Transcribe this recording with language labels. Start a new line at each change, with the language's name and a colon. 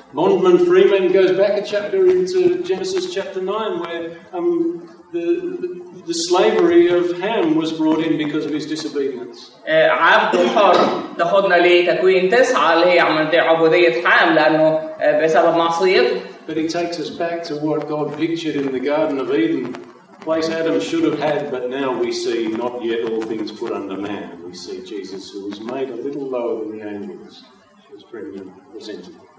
English: Bondman, Freeman goes back a chapter into Genesis chapter 9, where the slavery of Ham was brought in because of his disobedience.
Arabic: عبد حر تاخدنا لتكوين 9 اللي هي عملية عبودية حام لأنه بسبب معصيته.
English: But he takes us back to what God pictured in the Garden of Eden, place Adam should have had, but now we see not yet all things put under man. We see Jesus who was made a little lower than the angels. She was pregnant, presented.